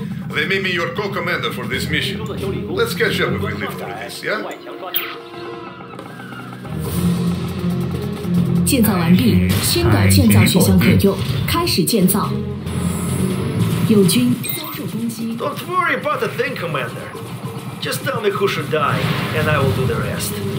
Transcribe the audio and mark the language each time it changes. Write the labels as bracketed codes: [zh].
[en] They made me your co-commander for this mission. Let's catch up if we live through this, yeah? [zh] 建造完毕, 新的建造学校可用, 开始建造。友军, [en] Don't worry about the thing, commander. Just tell me who should die, and I will do the rest.